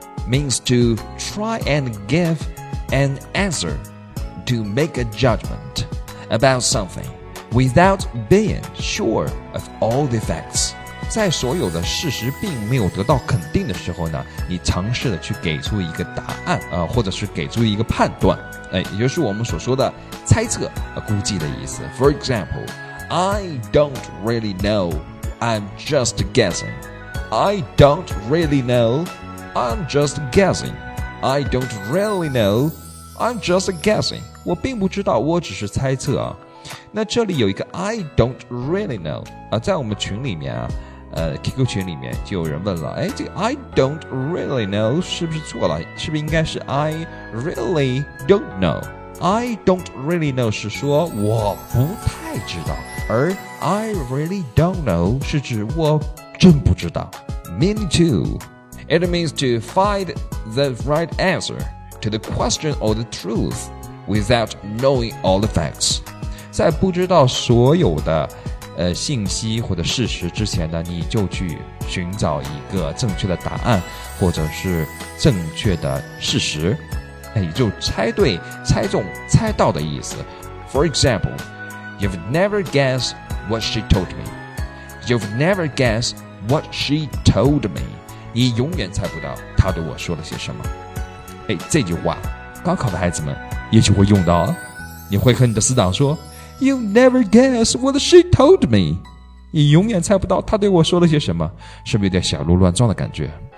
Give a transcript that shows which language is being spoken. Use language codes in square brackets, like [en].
[en] Means to try and give an answer, to make a judgment about something without being sure of all the facts. [zh] 在所有的事实并没有得到肯定的时候呢，你尝试的去给出一个答案，或者是给出一个判断，也就是我们所说的猜测、估计的意思。 [en] For example, I don't really know. I'm just guessing. I don't really know. I'm just guessing. I don't really know. I'm just guessing. [zh] 我并不知道，我只是猜测啊。那这里有一个 [en] I don't really know [zh] 啊，在我们群里面啊，QQ 群里面就有人问了，这个 I don't really know 是不是错了？是不是应该是 [en] I really don't know? I don't really know [zh] 是说我不太知道，而 [en] I really don't know [zh] 是指我真不知道。 [en] Meaning too. It means to find the right answer to the question or the truth without knowing all the facts. [zh] 在不知道所有的信息或者事实之前呢，你就去寻找一个正确的答案或者是正确的事实，也就猜对、猜中、猜到的意思。 [en] For example, you've never guessed what she told me. You've never guessed what she told me. [zh] 你永远猜不到他对我说了些什么。这句话高考的孩子们也许会用到，你会和你的死党说 [en] You never guess what she told me， [zh] 你永远猜不到他对我说了些什么，是不是有点小鹿乱撞的感觉。